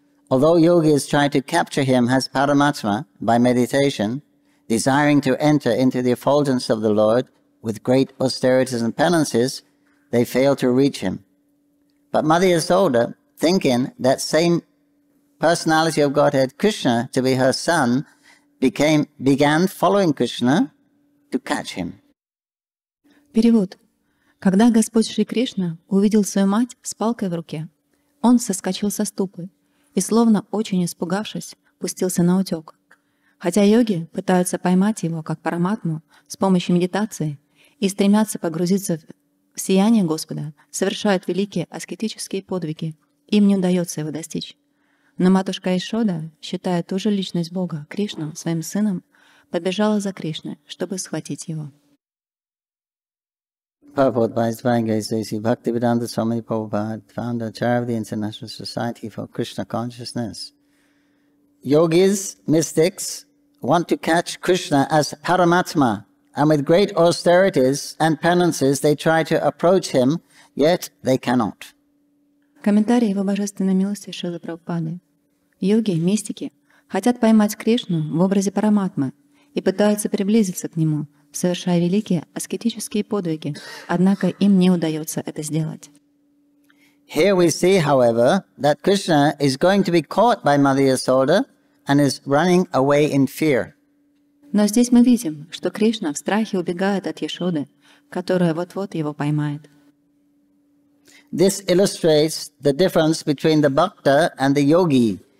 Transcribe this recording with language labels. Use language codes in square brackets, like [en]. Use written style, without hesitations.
[en] Although yogis try to capture him as Paramatma by meditation, desiring to enter into the effulgence of the Lord with great austerities and penances, they fail to reach him. But Mother Yasoda, thinking that same personality of Godhead Krishna to be her son, began following Krishna to catch him. [ru] Перевод. Когда Господь Шри Кришна увидел свою мать с палкой в руке, он соскочил со ступы и, словно очень испугавшись, пустился на утек. Хотя йоги пытаются поймать его как параматму с помощью медитации и стремятся погрузиться в сияние Господа, совершают великие аскетические подвиги, им не удается его достичь. Но матушка Ишода, считая ту же личность Бога, Кришну, своим сыном, побежала за Кришной, чтобы схватить его. [en] Prabhupada by his divine grace, Sri Bhaktivedanta Swami Prabhupada, founder and chair of the International Society for Krishna Consciousness. Yogis, mystics, want to catch Krishna as Paramatma, and with great austerities and penances they try to approach him, yet they cannot. [ru] Комментарий его божественной милости Шрилы Прабхупады. Йоги, мистики, хотят поймать Кришну в образе Параматмы и пытаются приблизиться к нему, совершая великие аскетические подвиги, однако им не удается это сделать. [en] Here we see, however, that Krishna is going to be caught by Mother Yasoda and is running away in fear. [ru] Но здесь мы видим, что Кришна в страхе убегает от Яшоды, которая вот-вот его поймает. [en] This illustrates the difference between the bhakta and the yogi.